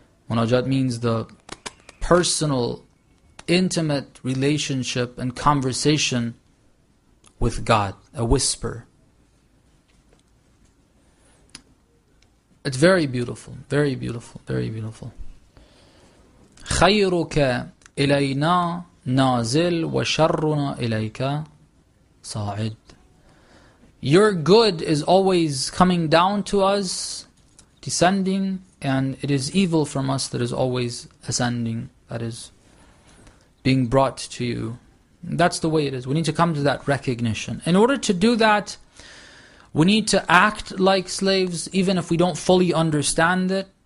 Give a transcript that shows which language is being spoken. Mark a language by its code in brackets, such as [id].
[en] Munajat means the personal, intimate relationship and conversation with God, a whisper. It's very beautiful, very beautiful, very beautiful. [ar] خيرك إلينا نازل وشرنا إليك صاعد. [en] Your good is always coming down to us, descending, and it is evil from us that is always ascending, that is being brought to you. That's the way it is. We need to come to that recognition. In order to do that, we need to act like slaves, even if we don't fully understand it.